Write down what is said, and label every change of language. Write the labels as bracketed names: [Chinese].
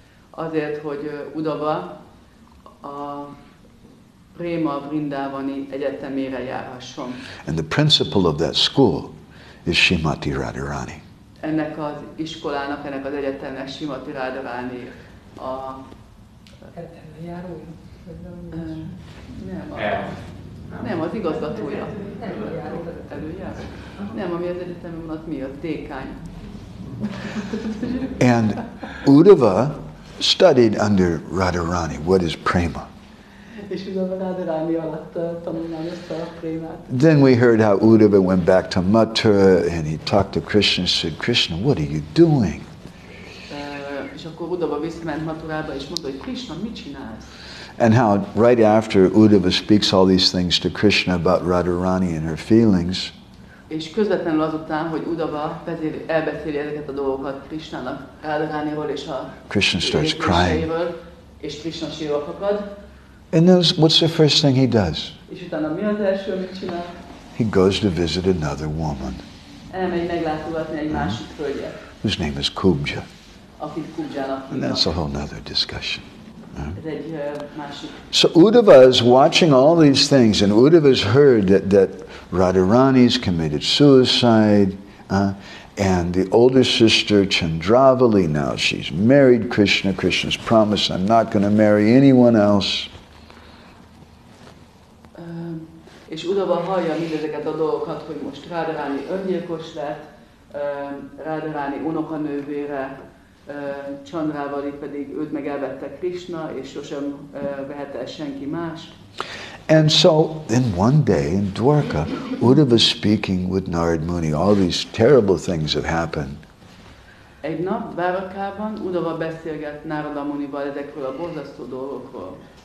[Hungarian] Azért, hogy Uddhava a Prema Vrindavani egyetemére járhasson. [English] And the principal of that school is Srimati Radharani. [Hungarian] Ennek az iskolának, ennek az egyetemnek Srimati Radharani a nem, az igazgatója. Nem, ami az egyetemem alatt mi, a dékány. [English] And Uddhava studied under Radharani. What is prema? [Hungarian] És Uddhava Radharani alatt tanulmányozta a prémát. [English] Then we heard how Uddhava went back to Mathura and he talked to Krishna and said, Krishna, what are you doing? [Hungarian] amikor Uddhava visszament Maturába, és mondta, hogy Krishna, mit csinálsz? [English] And how right after Uddhava speaks all these things to Krishna about Radharani and her feelings. [Hungarian] És közvetlenül azután, hogy Uddhava elbeszéli ezeket a dolgokat Krishnának, Radharaniról és a [English] Krishna starts crying. [Hungarian] És Krishna sírva fakad. [English] And then what's the first thing he does? [Hungarian] És utána mi az első, mit csinál? [English] He goes to visit another woman. [Hungarian] Elmegy meglátogatni egy másik hölgyet. [English] Whose name is Kubja. [Hungarian] Akit Kubjának hívnak. [English] And that's a whole nother discussion. [Hungarian] Egy, [English] so Uddhava is watching all these things, and Uddhava has heard that Radharani's committed suicide, and the older sister Chandravali, now she's married Krishna. Krishna's promised, I'm not going to marry anyone else. [Hungarian] És Uddhava hallja mindezeket a dolgokat, hogy most Radharani öngyilkos lett, Radharani unokanővére. Chandravali pedig őt meg elvette Krishna, és sosem vehette el senki más. [English] And so, in one day in Dwarka, Uddhava is speaking with Narad Muni. All these terrible things have happened. [Hungarian] Egy nap Dwarkában Uddhava beszélget Narada Munival ezekről a borzasztó dolgokról.